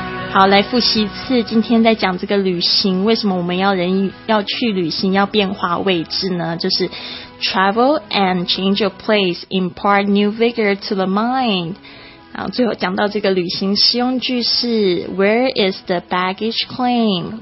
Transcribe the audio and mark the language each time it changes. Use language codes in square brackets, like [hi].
[zh] 好，来复习一次今天在讲这个旅行，为什么我们要去旅行要变化位置呢？ [en] 就是 Travel and change of place impart new vigor to the mind. [zh] 最后讲到这个旅行实用句是 [en] Where is the baggage claim?